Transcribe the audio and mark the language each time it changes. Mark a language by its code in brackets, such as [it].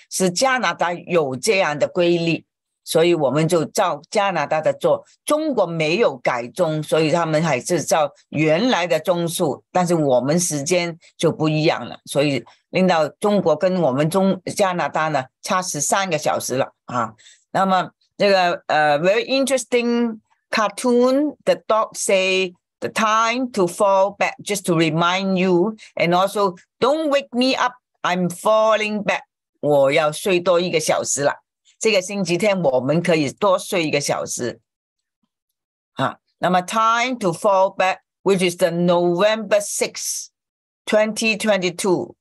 [zh] 是加拿大有这样的规律，所以我们就照加拿大的做。中国没有改钟，所以他们还是照原来的钟数，但是我们时间就不一样了，所以令到中国跟我们加拿大呢差13个小时了。啊，那么这个 [en] very interesting cartoon. The dog say the time to fall back just to remind you, and also don't wake me up. I'm falling back. [zh] 我要睡多1个小时了。这个星期天我们可以多睡1个小时。啊，那么 [en] time to fall back, which is the November 6th, 2022.